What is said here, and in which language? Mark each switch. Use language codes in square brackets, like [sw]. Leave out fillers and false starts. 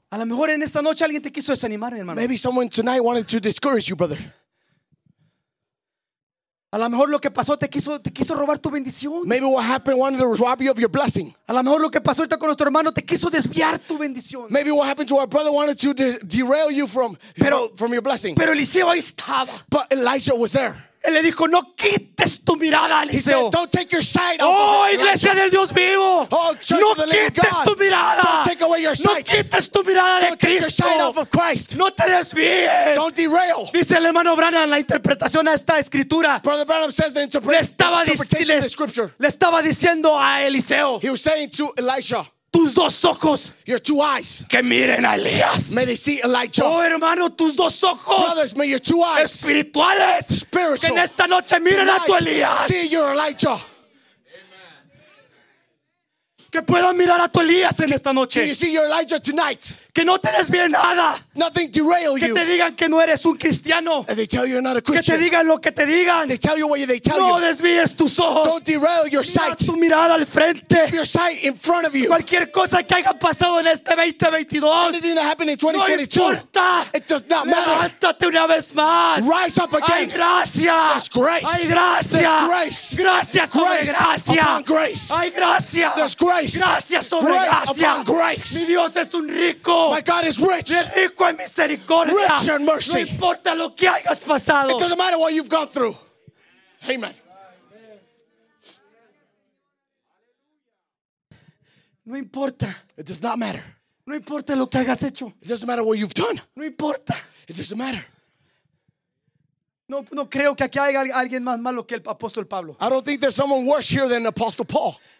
[es] A lo mejor en esta noche alguien te quiso desanimar, hermano. [en] Maybe someone tonight wanted to discourage you, brother. [es] A lo mejor lo que pasó te quiso robar tu bendición. [en] Maybe what happened wanted to rob you of your blessing. [es] A lo mejor lo que pasó ahorita con nuestro hermano te quiso desviar tu bendición. [en] Maybe what happened to our brother wanted to derail you from your blessing. [es] Pero Eliseo ahí estaba. [en] But Elijah was there. [es] Él le dijo, no quites tu mirada, Eliseo. [en] He said, don't take your sight off. [es] Oh, iglesia del Dios vivo. [en] Oh, church [es] no [en] of the living [es] quites [en] God. [es] Tu mirada. [en] Don't take away your sight. [es] No quites tu mirada [en] don't [es] de Cristo. [en] Take your sight off of Christ. [es] No te desvíes. [en] Don't derail. [es] Dice el hermano Branham, la interpretación a esta escritura. [en] Brother Branham says the interpretation of the scripture. [es] Le estaba diciendo a Eliseo. [en] He was saying to Elisha. [es] Tus dos ojos. [en] Your two eyes. [es] Que miren a Elías. [en] May they see Elijah. [es] Oh, hermano, tus dos ojos. [en] Brothers, may your two eyes. [es] Espirituales. [en] Spiritual. [es] Que en esta noche miren [en] tonight, [es] a tu Elías. [en] See your Elijah. Amen. [es] Que puedan mirar a tu Elías en esta noche. [en] Can you see your Elijah tonight? [es] Que no te desvíen nada. [en] Nothing derail you. [es] Que te digan que no eres un cristiano. [en] And they tell you you're not a Christian. [es] Que te digan lo que te digan. [en] They tell you what they tell [es] no [en] you. [es] No desvíes tus ojos. [en] Don't derail your sight. [es] Mira tu mirada al frente. [en] Keep your sight in front of you. [es] Cualquier cosa que haya pasado en este 2022. [en] Anything that happened in 2022. [es] No importa. [en] It does not matter. [es] Levántate una vez más. [en] Rise up again. [es] Ay, gracias. [en] There's grace. [es] Ay, gracias. [en] There's grace. [es] Gracias sobre gracia. [en] Upon grace. [es] Ay, gracias. [en] There's grace. [es] Gracias sobre gracia. [en] Upon grace. [es] Mi Dios es un rico. [en] My God is rich. [es] Rico en misericordia. [en] Rich in mercy. [es] No importa lo que hayas pasado. [en] It doesn't matter what you've gone through. Amen. [es] No importa. [en] It does not matter. [es] No importa lo que hayas hecho. [en] It doesn't matter what you've done. [es] No importa. [en] It doesn't matter. [es] No creo que aquí haya alguien más malo que el apóstol Pablo. [en] I don't think there's someone worse here than Apostle Paul.